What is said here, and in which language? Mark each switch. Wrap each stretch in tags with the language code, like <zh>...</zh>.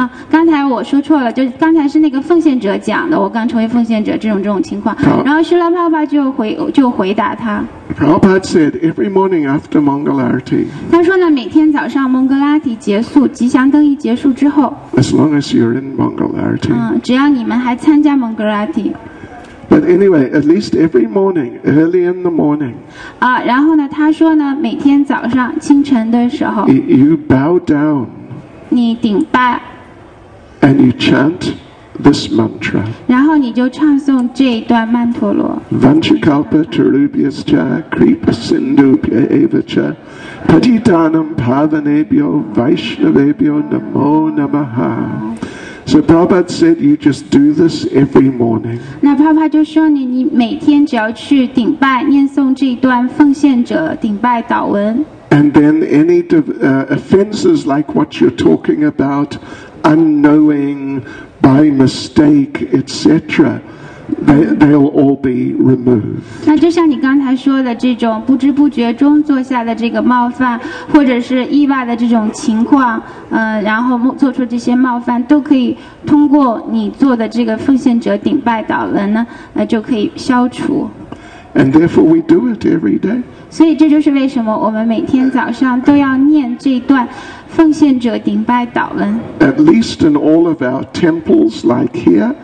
<zh>刚才我说错了，就刚才是那个奉献者讲的，我刚成为奉献者这种情况。然后修罗帕帕就回答他。</zh> <en>Prabhupada said every morning after Mangalarti.</en> <zh>他说呢，每天早上蒙格拉蒂结束，吉祥灯一结束之后。</zh> <en>As long as you're in Mangalarti.</en> <zh>只要你们还参加蒙格拉蒂。</zh> <en>But anyway, at least every morning, early in the morning.</en> <zh>然后呢，他说呢，每天早上清晨的时候。</zh> <en>You bow down.</en> <zh>你顶拜。</zh> <en>And you chant this mantra.</en> <zh>然后你就唱诵这一段曼陀罗。</zh> <sa>Vanchakalpa Tarubhyascha Kripa Sindubhya Evacha Patitanam Pavanebhyo Vaishnavebhyo Namo Namaha.</sa> <en>So Prabhupada said, "You just do this every morning."</en> <zh>那 Prabhupada 就说你，你每天只要去顶拜，念诵这一段奉献者顶拜祷文。</zh> <en>And then any offenses like what you're talking about, unknowing, by mistake, etc. They'll all be removed.</en> <zh>那就像你刚才说的这种不知不觉中做下的这个冒犯，或者是意外的这种情况，然后做出这些冒犯，都可以通过你做的这个奉献者顶拜祷文呢，就可以消除。</zh> <en>And therefore, we do it every day.</en> <zh>所以这就是为什么我们每天早上都要念这段奉献者顶拜祷文。</zh> <en>At least in all of our temples, like here.</en>